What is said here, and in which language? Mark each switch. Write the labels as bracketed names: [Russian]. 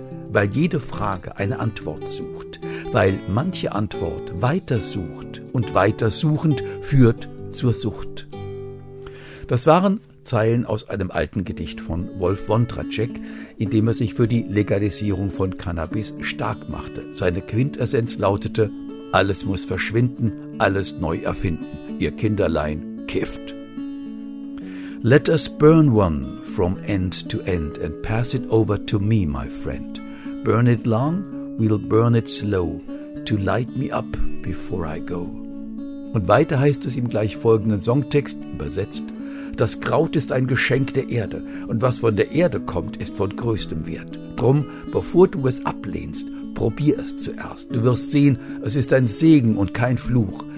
[German] Weil jede Frage eine Antwort sucht, weil manche Antwort weitersucht und weitersuchend führt zur Sucht. Das waren Zeilen aus einem alten Gedicht von Wolf Wondratschek, in dem er sich für die Legalisierung von Cannabis stark machte. Seine Quintessenz lautete: Alles muss verschwinden, alles neu erfinden. Ihr Kinderlein kifft. [English] Let us burn one from end to end and pass it over to me, my friend. Burn it long, we'll burn it slow, to light me up before I go. [German] Und weiter heißt es im gleich folgenden Songtext, übersetzt: Das Kraut ist ein Geschenk der Erde, und was von der Erde kommt, ist von größtem Wert. Drum, bevor du es ablehnst, probier es zuerst. Du wirst sehen, es ist ein Segen und kein Fluch.